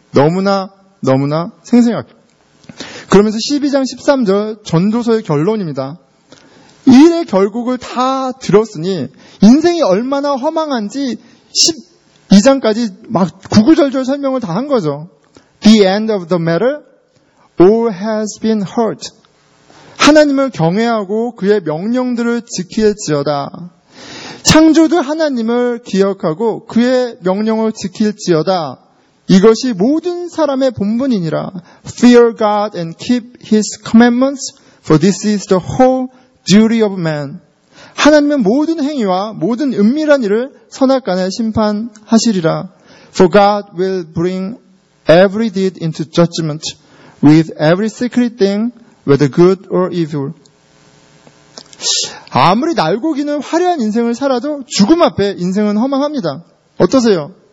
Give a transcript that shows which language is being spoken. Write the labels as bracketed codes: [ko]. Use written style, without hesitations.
[ko] 너무나 너무나 생생하게. 그러면서 12장 13절 전도서의 결론입니다. 일의 결국을 다 들었으니 인생이 얼마나 허망한지 12장까지 막 구구절절 설명을 다 한 거죠. [en] The end of the matter, all has been heard. [ko] 하나님을 경외하고 그의 명령들을 지킬지어다. 창조주 하나님을 기억하고 그의 명령을 지킬지어다. 이것이 모든 사람의 본분이니라. [en] Fear God and keep His commandments, for this is the whole duty of man. [ko] 하나님은 모든 행위와 모든 은밀한 일을 선악간에 심판하시리라. [en] For God will bring every deed into judgment with every secret thing, whether good or evil. [ko] 아무리 날고기는 화려한 인생을 살아도 죽음 앞에 인생은 허망합니다. 어떠세요?